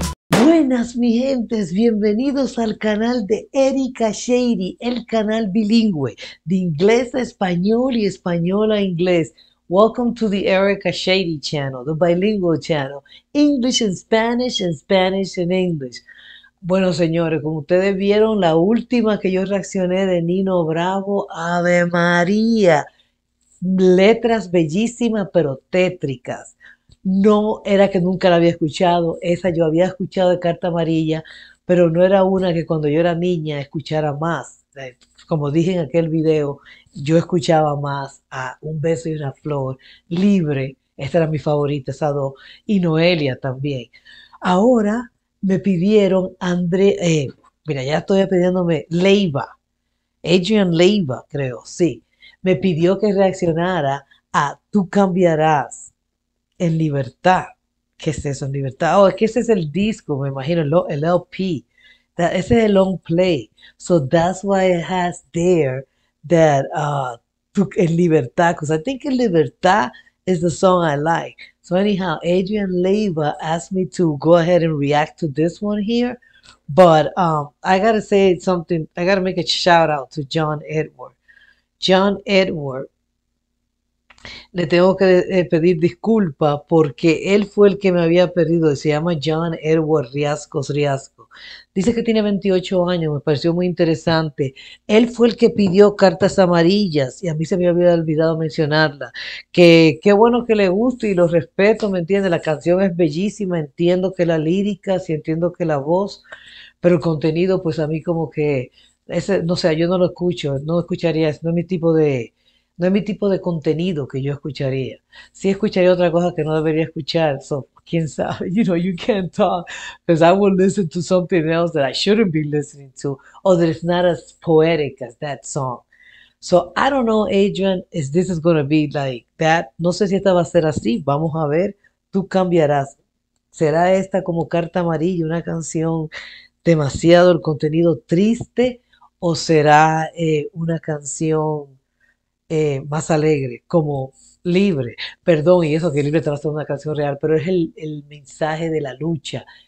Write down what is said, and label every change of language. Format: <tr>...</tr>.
<es>Buenas, mi gentes, bienvenidos al canal de Erika Sheiri, el canal bilingüe de inglés a español y español a inglés.</es> <en>Welcome to the Erika Sheiri channel, the bilingual channel, English and Spanish in English.</en> <es>Bueno, señores, como ustedes vieron, la última que yo reaccioné de Nino Bravo, Ave María, letras bellísimas pero tétricas. No era que nunca la había escuchado, esa yo había escuchado de Carta Amarilla, pero no era una que cuando yo era niña escuchara más. Como dije en aquel video, yo escuchaba más a Un beso y una flor, Libre, esa era mi favorita, esa dos, y Noelia también. Ahora me pidieron André, mira, ya estoy pidiéndome Leiva, Adrian Leiva, creo, sí. Me pidió que reaccionara a Tú cambiarás. En libertad. ¿Qué es eso? En libertad. Oh, es que ese es el disco, me imagino, el LP. Ese es el long play.</es> <en>So that's why it has there that en libertad. Because I think in libertad is the song I like. So anyhow, Adrian Leiva asked me to go ahead and react to this one here. But I gotta say something. I gotta make a shout out to John Edward. John Edward.</en> <es>Le tengo que pedir disculpa porque él fue el que me había pedido. Se llama John Edward Riascos Riasco. Dice que tiene 28 años, me pareció muy interesante. Él fue el que pidió Cartas Amarillas y a mí se me había olvidado mencionarla. Que qué bueno que le guste y lo respeto, ¿me entiende? La canción es bellísima, entiendo que la lírica, sí entiendo que la voz, pero el contenido, pues a mí como que, ese, no sé, yo no lo escucho, no lo escucharía, no es mi tipo de. No es mi tipo de contenido que yo escucharía. Sí escucharía otra cosa que no debería escuchar.</es> <en>So,</en> <es>quién sabe.</es> <en>You know, you can't talk. Because I will listen to something else that I shouldn't be listening to. Or that it's not as poetic as that song. So, I don't know, Adrian, if this is going to be like that.</en> <es>No sé si esta va a ser así. Vamos a ver. Tú cambiarás. ¿Será esta como Carta Amarilla, una canción demasiado el contenido triste? ¿O será una canción más alegre, como Libre, perdón, y eso que Libre te va a hacer una canción real, pero es el mensaje de la lucha.</es>